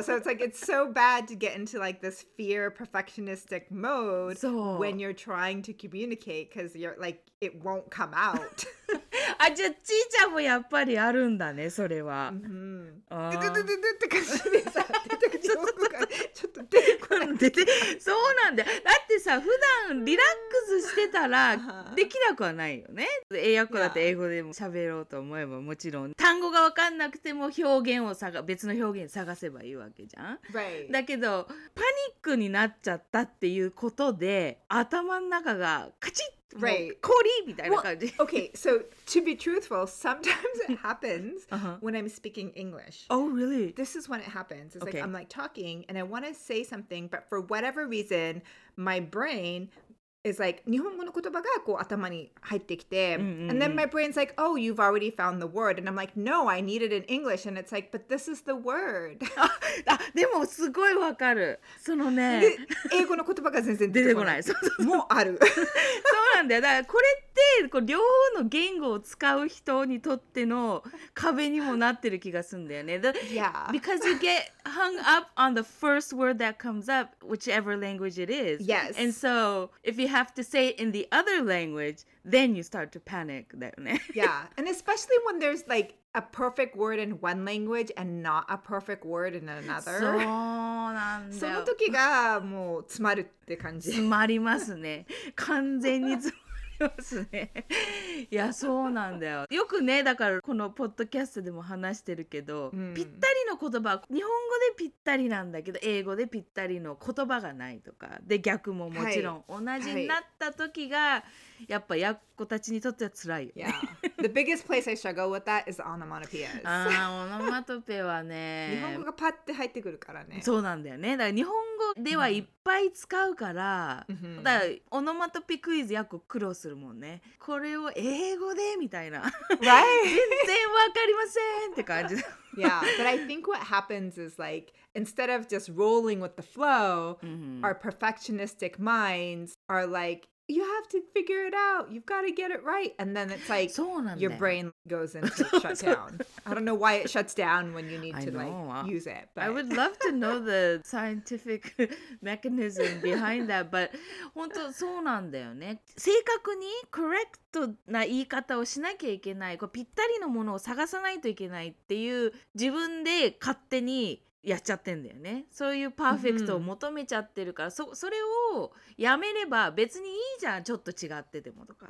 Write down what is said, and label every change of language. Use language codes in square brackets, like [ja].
[en] So it's like, it's so bad to get into like this fear perfectionistic mode when you're trying to communicate because you're like, it won't come out. [ja] あ、じゃあちーちゃんもやっぱりあるんだね、それは。って感じでさ、出てくる。そうなんだ。だってさ、普段リラックスしてたらできなくはないよね。英訳だって英語でも喋ろうと思えばもちろん、単語が分かんなくても表現を別の表現探せばいいわけじゃん。 [en] Right. [ja] だけど、パニックになっちゃったっていうことで、頭の中がカチッ [en] Right. Well, okay, so to be truthful, sometimes it happens when I'm speaking English. Oh, really? This is when it happens. It's okay. Like I'm like talking and I want to say something, but for whatever reason, my brain is like, [ja] 日本語の言葉がこう頭に入ってきて、 [en] and then my brain's like, oh, you've already found the word. And I'm like, no, I need it in English. And it's like, but this is the word. [ja] あ、でもすごいわかる。そのね。英語の言葉が全然出てこない。もうある。だからこれってこう両方の言語を使う人にとっての壁にもなってる気がするんだよね。 [en] Yeah. Because you get hung up on the first word that comes up, whichever language it is. Yes. And so if you have to say it in the other language, then you start to panic. Yeah. And especially when there's like a perfect word in one language and not a perfect word in another. [ja] そうなんだ。その時がもう詰まるって感じ。詰まりますね。完全に詰まる。ますね。いやそうなんだよ。よくねだからこのポッドキャストでも話してるけど、うん、ぴったりの言葉は日本語でぴったりなんだけど英語でぴったりの言葉がないとかで逆ももちろん同じになった時が、はいはい、やっぱやっこたちにとっては辛いよね。 [en] Yeah. The biggest place I struggle with that is onomatopoeia. [ja] あオノマトペはね日本語がパッて入ってくるからね。そうなんだよね。だから日本語ではいっぱい使うから、うん、だからオノマトペクイズやっこ苦労するもんね。これを英語でみたいな、 [en] right? [ja] 全然わかりませんって感じ。 [en] Yeah, but I think what happens is like, instead of just rolling with the flow, our perfectionistic minds are like, you have to figure it out. You've got to get it right. And then it's like, your brain goes into shutdown. I don't know why it shuts down when you need to like use it. But... I would love to know the scientific mechanism behind that. [ja] But 本当そうなんだよね。正確にコレクトな言い方をしなきゃいけない。こうぴったりのものを探さないといけないっていう自分で勝手にやっちゃってんだよね。そういうパーフェクトを求めちゃってるから、うん、それをやめれば別にいいじゃん。ちょっと違っててもとか、